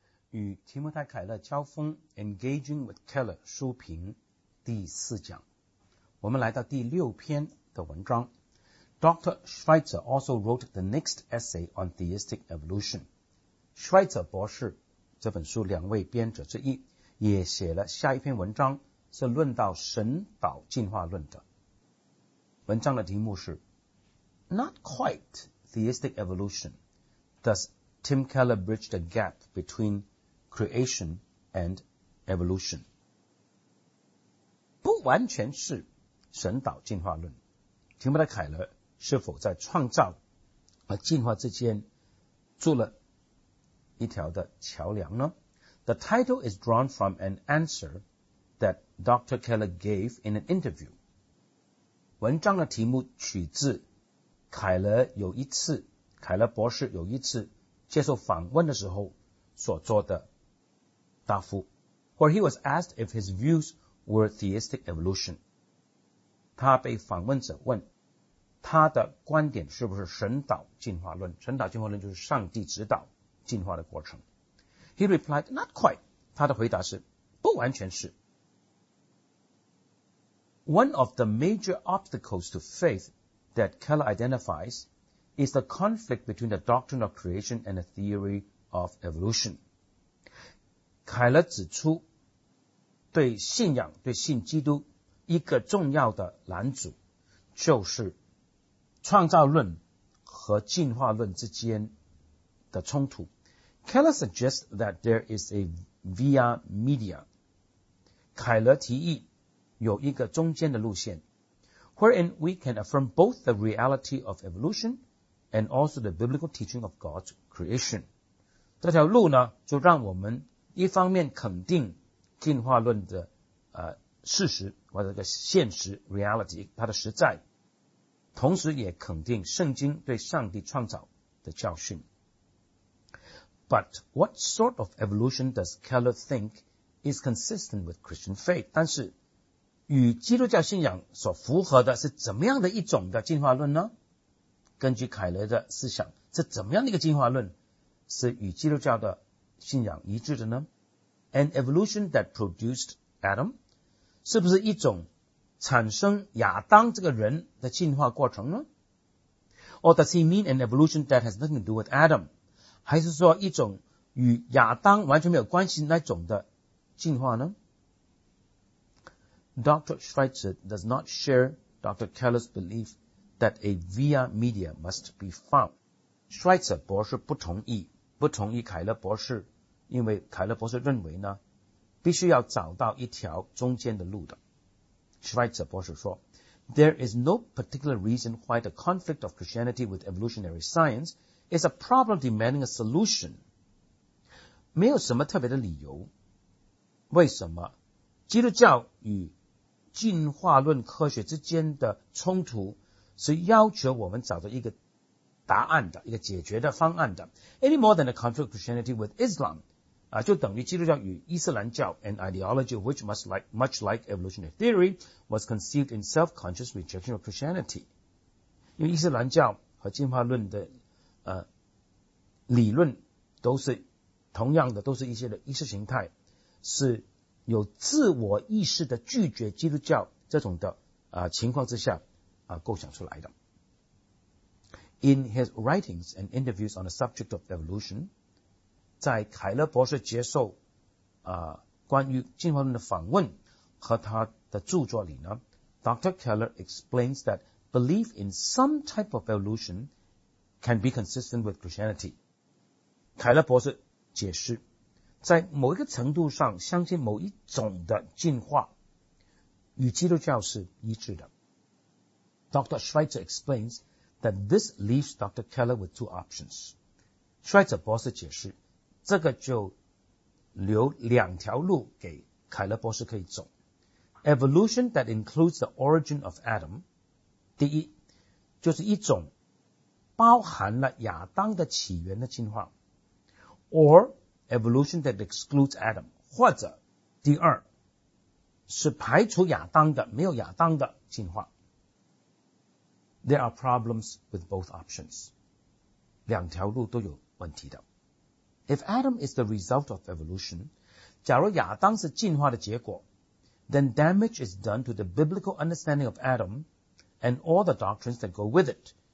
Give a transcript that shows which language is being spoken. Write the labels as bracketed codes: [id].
[zh] 与提摩太凯勒交锋 [en] Engaging with Keller [zh] 书评第四讲，我们来到第六篇的文章。 [en] Dr. Schweitzer also wrote the next essay on theistic evolution. [zh] 施泽博士这本书两位编者之一，也写了下一篇文章，是论到神导进化论的。文章的题目是 [en] Not quite theistic evolution. Does Tim Keller bridge the gap betweenCreation and evolution. [zh] 不完全是神导进化论，提摩太凯勒是否在创造和进化之间做了一条的桥梁呢？ [en] The title is drawn from an answer that Dr. Keller gave in an interview. [zh] 文章的题目取自凯勒博士有一次接受访问的时候所做的答复， [en] where he was asked if his views were theistic evolution. [zh] 他被访问者问他的观点是不是神导进化论，神导进化论就是上帝指导进化的过程。 [en] He replied, not quite. [zh] 他的回答是不完全是。 [en] One of the major obstacles to faith that Keller identifies is the conflict between the doctrine of creation and the theory of evolution. [zh] 凯勒指出对信仰对信基督一个重要的拦阻，就是创造论和进化论之间的冲突。 [en] Keller suggests that there is a via media. [zh] 凯勒提议有一个中间的路线， [en] wherein we can affirm both the reality of evolution and also the biblical teaching of God's creation. [zh] 这条路呢就让我们一方面肯定进化论的事实或者个现实 reality 它的实在，同时也肯定圣经对上帝创造的教训。 [en] But what sort of evolution does Keller think is consistent with Christian faith? [zh] 但是与基督教信仰所符合的是怎么样的一种的进化论呢？根据凯勒的思想，是怎么样的一个进化论是与基督教的信仰一致的呢？ [en] An evolution that produced Adam? [zh] 是不是一种产生亚当这个人的进化过程呢？ [en] Or does he mean an evolution that has nothing to do with Adam? [zh] 还是说一种与亚当完全没有关系那种的进化呢？ [en] Dr. Schweitzer does not share Dr. Keller's belief that a via media must be found. [zh] Schweitzer 博士不同意凯勒博士，因为凯勒博士认为呢，必须要找到一条中间的路的。 [en] Schweitzer 博士说 There is no particular reason why the conflict of Christianity with evolutionary science is a problem demanding a solution. [zh] 没有什么特别的理由，为什么基督教与进化论科学之间的冲突是要求我们找到一个答案的，一个解决的方案的。 [en] Any more than the conflict of Christianity with Islam [zh] 就等于基督教与伊斯兰教 [en] an ideology which much like evolutionary theory was conceived in self-conscious rejection of Christianity. [zh] 因为伊斯兰教和进化论的理论都是同样的，都是一些的意识形态，是有自我意识的拒绝基督教这种的情况之下构想出来的。 [en] In his writings and interviews on the subject of evolution, [zh] 在凯勒博士接受关于进化论的访问和他的著作里呢， Dr. [en] Keller explains that belief in some type of evolution can be consistent with Christianity. [zh] 凯勒博士解释，在某一个程度上相信某一种的进化与基督教是一致的。 [en] Dr. Schweitzer explains that this leaves Dr. Keller with two options. [zh] 施泽博士解释这个就留两条路给凯勒博士可以走。 [en] Evolution that includes the origin of Adam, [zh] 第一就是一种包含了亚当的起源的进化， [en] or evolution that excludes Adam, [zh] 或者第二是排除亚当的没有亚当的进化。 [en] There are problems with both options, [zh] 两条路都有问题的。 [en] If Adam is the result of evolution, [zh] 假如亚当是进化的结果, [en] then damage is done to the biblical understanding of Adam and all the doctrines that go with it.